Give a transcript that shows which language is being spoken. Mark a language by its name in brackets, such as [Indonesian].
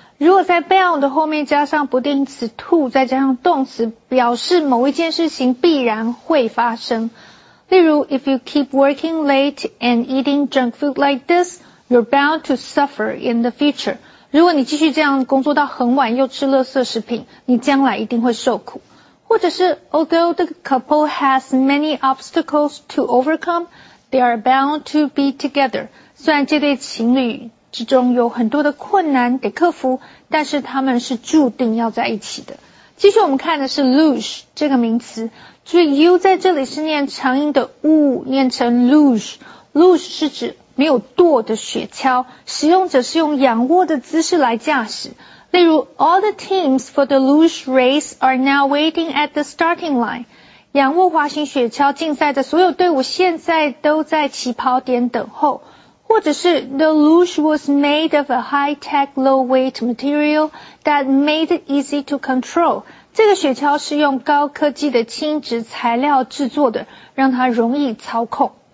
[Chinese] 如果在 bound 的后面加上不定词 to， 再加上动词，表示某一件事情必然会发生。例如 [English] ，If you keep working late and eating junk food like this, you're bound to suffer in the future。 [Chinese] 如果你继续这样工作到很晚又吃垃圾食品，你将来一定会受苦。或者是 [English] although the couple has many obstacles to overcome, they are bound to be together. [Chinese] 虽然这对情侣之中有很多的困难得克服，但是他们是注定要在一起的。继续我们看的是 luge 这个名词，注意 u 在这里是念长音的 u， 念成 luge。 luge 是指没有舵的雪橇，使用者是用仰卧的姿势来驾驶。例如 [English] ,all the teams for the luge race are now waiting at the starting line. [Chinese] 仰卧滑行雪橇竞赛的所有队伍现在都在起跑点等候。或者是 [English] ,the luge was made of a high-tech, low-weight material that made it easy to control. [Chinese] 这个雪橇是用高科技的轻质材料制作的，让它容易操控。